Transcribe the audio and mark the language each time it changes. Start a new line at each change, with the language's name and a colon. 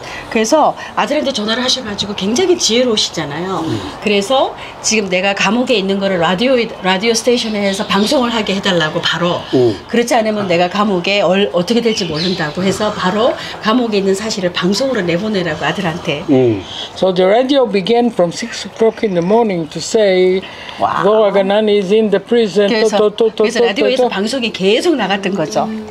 Korean: 그래서 아들한테 전화를 하셔가지고 굉장히 지혜로우시잖아요. 그래서 지금 내가 감옥에 있는 거를 라디오 스테이션에서 방송을 하게 해달라고 바로 그렇지 않으면 내가 감옥에 어떻게 될지 모른다고 해서 바로 감옥에 있는 사실을 방송으로 내보내라고 아들한테.
English: So the radio began from 6 o'clock in the morning to say Zohar Ganan is in the prison.
Korean: 그래서 라디오에서 방송이 계속 나갔던 거죠.